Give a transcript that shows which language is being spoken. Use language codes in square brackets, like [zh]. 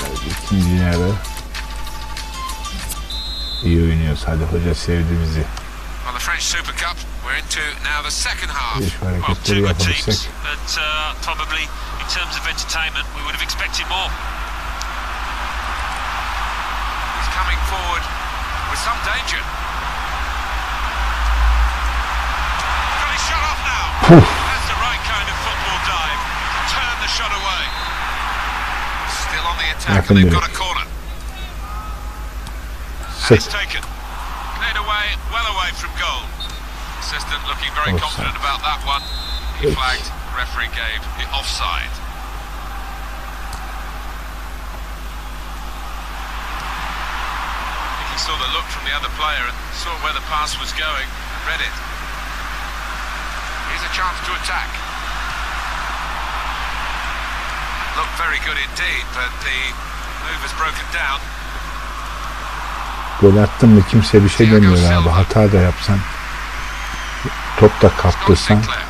[tr] İkinci yarı iyi oynuyoruz. Hadi hoca sevdi bizi. İş hareketleri yaparsak. [en] Probably in terms of entertainment, we would have expected more. He's coming forward with some danger. Got his shot off now. That's the right kind of football dive. Turn the shot away. Still on the attack. And they've got a corner. Six. Taken. Cleared away, well away from goal. Assistant looking very confident about that one. He flagged. Referee gave the offside. He saw the look from the other player and saw where the pass was going and read it. Here's a chance to attack. Looked very good indeed, but the move has broken down. [tr] Gol attın mı kimse bir şey demiyor abi. Hata da yapsan, top da kaptırsan.